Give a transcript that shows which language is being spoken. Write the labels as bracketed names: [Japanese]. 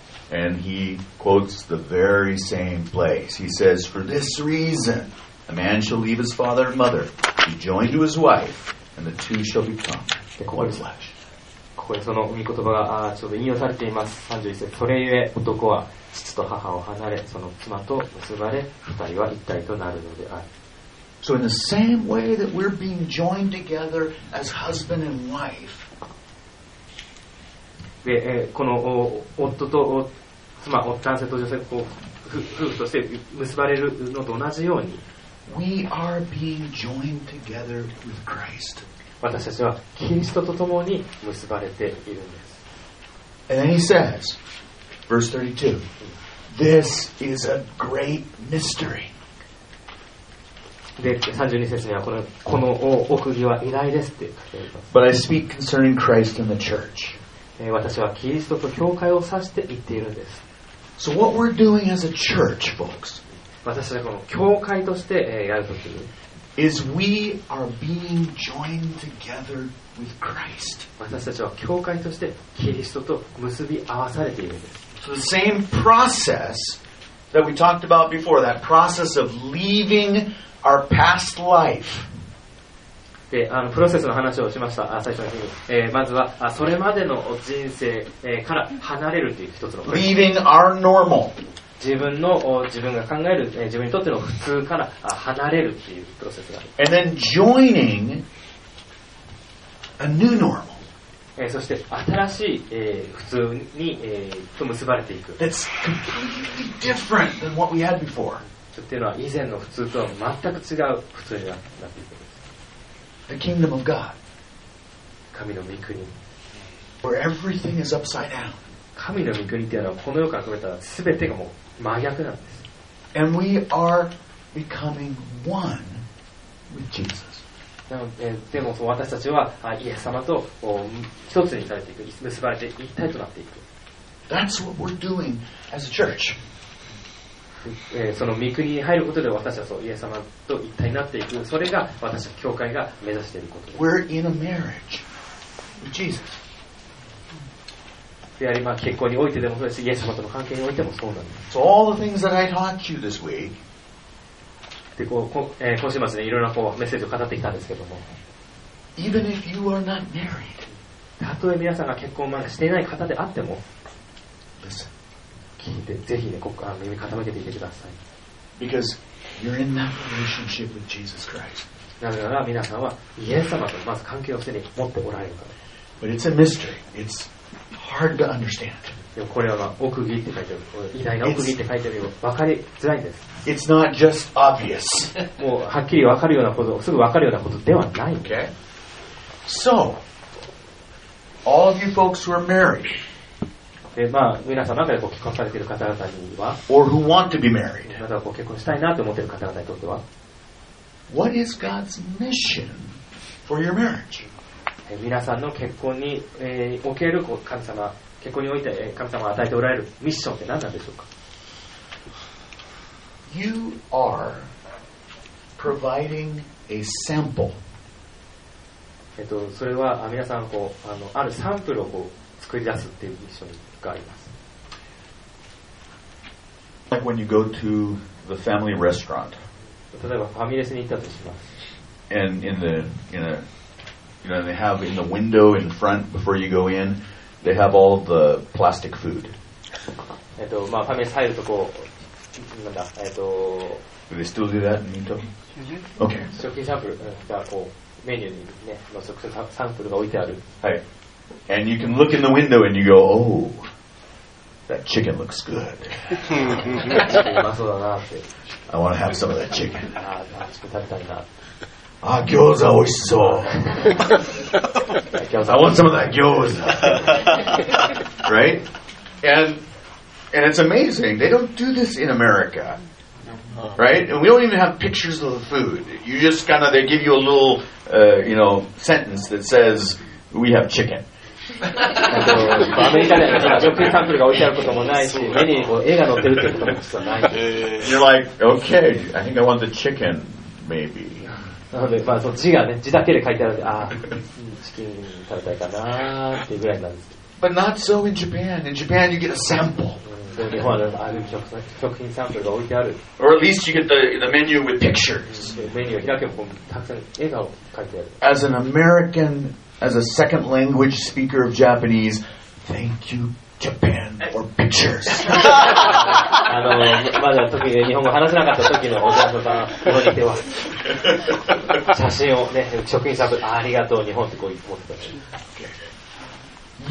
[English] And he quotes the very same place. He says, For this reason, a man shall leave his father and mother, be joined to his wife, and the two shall become one flesh. [Japanese] ここでここその御言葉がちょっと引用されています。31節。それゆえ男は父と母を離れ、その妻と結ばれ、二人は一体となるのである。 [English] So in the same way that we're being joined together as husband and wife, [Japanese] でこの夫と妻、男性と女性こう夫婦として結ばれるのと同じように [English] We are being joined together with Christ. [Japanese] 私たちはキリストと共に結ばれているんです。 [English] And then he says, verse 32, This is a great mystery. [Japanese] で32節にはこの奥義は偉大ですって書いてあります。 [English] But I speak concerning Christ and the church. [Japanese] 私はキリストと教会を指して言っているんです。 [English] So what we're doing as a church, folks, [Japanese] 私はこの教会としてやるときに、 [English] is we are being joined together with Christ. [Japanese] 私たちは教会としてキリストと結び合わされているんです。 [English] So the same process that we talked about before, that process of leaving our past life. [Japanese] でプロセスの話をしました。最初に、まずはそれまでの人生から離れるという一つの [English] Leaving our normal. [Japanese] 自分が考える自分にとっての普通から離れるというプロセスがある。 [English] And then joining a new normal. [Japanese] そして新しい普通に、と結ばれていく。 [English] That's completely different than what we had before. [Japanese] っていうのは以前の普通とは全く違う普通になっていく。 [English] The kingdom of God. [Japanese] 神の御国。 [English] Where everything is upside down. [Japanese] 神の御国っていうのはこの世から比べたら全てがもう真逆なんです。 [English] And we are becoming one with Jesus. [Japanese] でも私たちはイエス様と一つにされていく、結ばれて一体となっていく。 [English] That's what we're doing as a church. [Japanese] その御国に入ることで私はそうイエス様と一体になっていく。それが私は教会が目指していることです。 [English] We're in a marriage with Jesus. [Japanese] やはり結婚においてでもそうですし、イエス様との関係においてもそうなんです。 [English] So all the things that I taught you this week, [Japanese] でこう今週末ね、いろんなこうメッセージを語ってきたんですけども、 [English] Even if you are not married, [Japanese] たとえ皆さんが結婚までしていない方であっても、 [English] Listen. [Japanese] ぜひね、ここから耳傾けていてください。 [English] Because you're in that relationship with Jesus Christ. [Japanese] なぜなら皆さんはイエス様とまず関係を手に持っておられるから。 [English] But it's a mystery. It's hard to understand. [Japanese] でもこれは奥義って書いてある。偉大な奥義って書いてあるよ。分かりづらいんです。 [English] It's not just obvious. [Japanese] もうはっきり分かるようなこと、すぐ分かるようなことではない。 [English] Okay. So, all of you folks who are married. [Japanese] 皆さんの中で結婚されている方々には、 [English] Or who want to be married. [Japanese] またこう結婚したいなと思っている方々にとっては、 [English] What is God's mission for your marriage? [Japanese] 皆さんの結婚における神様、結婚において神様が与えておられるミッションって何なんでしょうか。 [English] You are providing a sample。 [Japanese] それは皆さんこう あるサンプルをこう作り出すっていうミッションがあります。 [English] Like when you go to the family restaurant。 [Japanese] 例えばファミレスに行ったとします。 [English] And in the, in a, you know, they have in the window in front before you go in, they have all the plastic food. [Japanese] まあ、ファミレス入るとこう、なんだ、 [English] Do they still do that in Utah? Mm-hmm. Okay. [Japanese] 食品サンプルがこう、メニューにね、まあ、食品サンプルが置いてある。はい。 [English] And you can look in the window and you go, oh, that chicken looks good. [Japanese] うまそうだなって。 [English] I want to have some of that chicken. [Japanese] ああ、ちょっと食べたいな。あ、餃子美味しそう。餃子、 [English] I want some of that 餃子。Right? And it's amazing. They don't do this in America. Right? And we don't even have pictures of the food. You just kind of, they give you a little, you know, sentence that says, we have chicken. [Japanese] アメリカでは食品サンプルが置いてあることもないし、メニューにこう絵が載ってるってこともちょっとない。 [English] You're like, okay, I think I want the chicken, maybe. [Japanese] なので、まあ、その字がね、字だけで書いてあるので、ああ、チキン食べたいかなーっていうぐらいなんです。 [English] But not so in Japan. In Japan, you get a sample. [Japanese] で、日本はある食品サンプルが置いてある。 [English] Or at least you get the menu with pictures. [Japanese] メニューを開けば、たくさん絵が書いてある。 [English] As an American, as a second language speaker of Japanese, thank you, Japan, for pictures. [Japanese] まだ特に日本語話せなかった時のお客さんのところにいては写真をね、職員さんがありがとう日本ってこう言ってた。